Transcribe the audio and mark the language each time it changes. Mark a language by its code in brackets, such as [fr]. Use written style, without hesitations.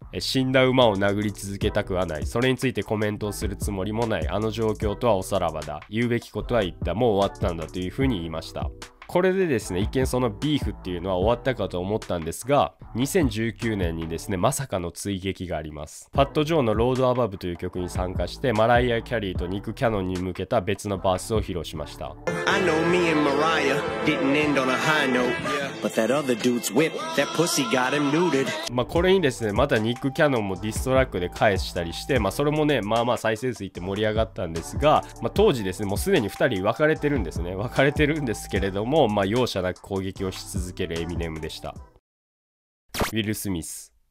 [ja] 死んだ馬を殴り続けたくはない、それについてコメントをするつもりもない、あの状況とはおさらばだ、言うべきことは言った、もう終わったんだというふうに言いました。これでですね一見そのビーフっていうのは終わったかと思ったんですが、2019年にですねまさかの追撃があります。パッド・ジョーのロード・アバブという曲に参加して、マライア・キャリーとニック・キャノンに向けた別のバースを披露しました。 [en] I know me and Mariah didn't end on a high note But that other dude's whip That pussy got him neutered。 [ja] まあこれにですねまたニック・キャノンもディストラックで返したりして、まあそれもねまあまあ再生数いって盛り上がったんですが、まあ当時ですねもうすでに2人別れてるんですね、別れてるんですけれども、まあ容赦なく攻撃をし続けるエミネムでした。ウィル・スミス。